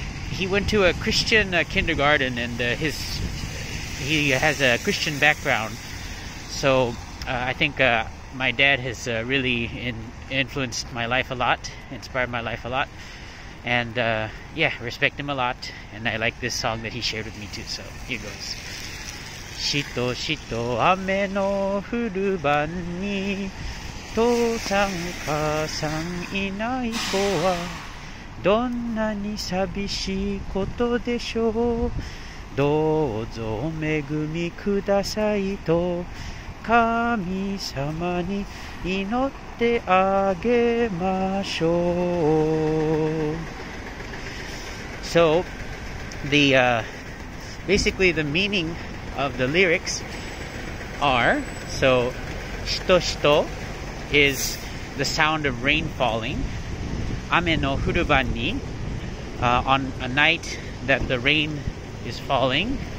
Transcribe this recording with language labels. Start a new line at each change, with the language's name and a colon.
English: He went to a Christian kindergarten and he has a Christian background, so I think my dad has really influenced my life a lot, inspired my life a lot, and respect him a lot, and I like this song that he shared with me too, so here goes.
Japanese: しとしと雨の降る晩に父さん母さんいない子はどんなに寂しいことでしょう。どうぞお恵みくださいと神様に祈ってあげましょう。
English: So the basically the meaning of the lyrics are, so しとしと is the sound of rain falling,
Japanese: 雨の降る晩に
English: on a night that the rain is falling.